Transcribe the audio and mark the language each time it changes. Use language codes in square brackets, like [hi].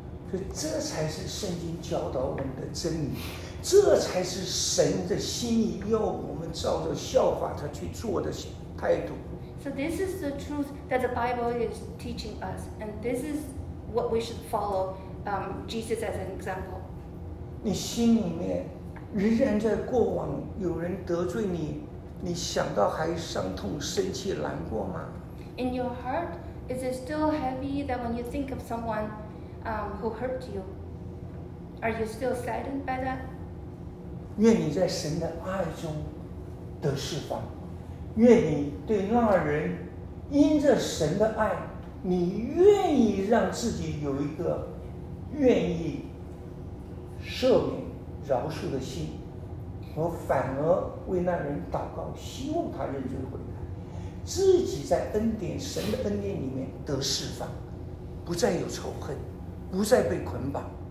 [zh] 所以这才是圣经教导我们的真理，这才是神的心意，要我们照着效法他去做的态度。 [en] So this is the truth that the Bible is teaching us, and this is what we should follow Jesus as an example. [zh] 你心里面仍然在过往有人得罪你，你想到还伤痛、生气、难过吗？ [en] In your heart, is it still heavy that when you think of someone who hurt you, are you still saddened by that? [zh] 愿你在神的爱中得释放。愿你对那人因着神的爱，你愿意让自己有一个愿意赦免饶恕的心，我反而为那人祷告，希望他认罪悔改，自己在恩典神的恩典里面得释放，不再有仇恨，不再被捆绑。